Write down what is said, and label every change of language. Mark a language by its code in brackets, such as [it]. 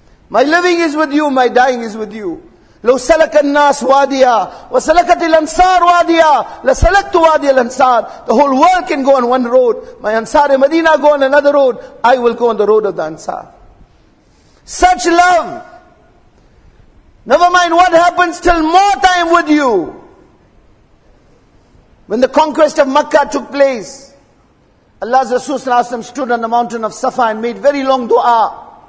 [en] My living is with you, my dying is with you. [ar] لو سلك الناس واديا وسلكت الانصار واديا لسلكت وادي الانصار. [en] The whole world can go on one road. My ansar in Medina go on another road. I will go on the road of the ansar. Such love. Never mind what happens till more time with you. When the conquest of Makkah took place, Allah's Rasul Sallallahu Alaihi Wasallam stood on the mountain of Safa and made very long dua.